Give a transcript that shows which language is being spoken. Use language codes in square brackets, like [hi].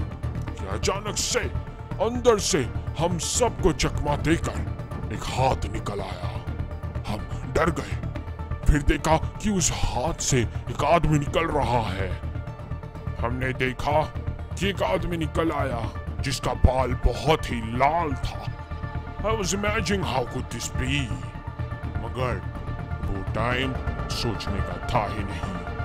[hi] कि अचानक से अंदर से हम सबको चकमा देकर एक हाथ निकल आया. हम डर गए, फिर देखा कि उस हाथ से एक आदमी निकल रहा है. हमने देखा कि एक आदमी निकल आया जिसका बाल बहुत ही लाल था. [en] I was imagining how could this be? [hi] मगर वो टाइम सोचने का था ही नहीं.